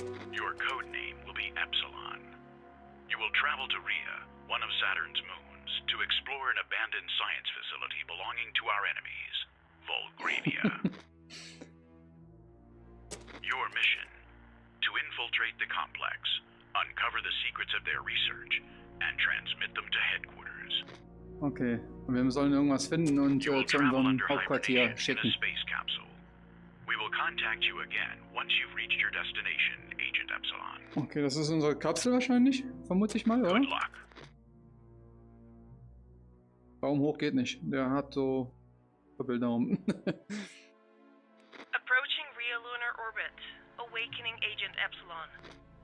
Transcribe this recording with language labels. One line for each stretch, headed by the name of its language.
English: Your code name will be Epsilon. You will travel to Rhea, one of Saturn's moons, to explore an abandoned science facility belonging to our enemies, Volgravia. Your mission, to infiltrate the complex, uncover the secrets of their research, and transmit them to headquarters.
German: Okay, wir sollen irgendwas finden und zu unserem Hauptquartier schicken.
English: Space capsule. We will contact you again once you've reached your destination, Agent Epsilon.
German: Okay, das ist unsere Kapsel wahrscheinlich, vermute ich mal, oder?
English: Good luck.
German: Baum hoch geht nicht. Der hat so Doppel Daumen.
English: Approaching Rhea Lunar Orbit, awakening Agent Epsilon.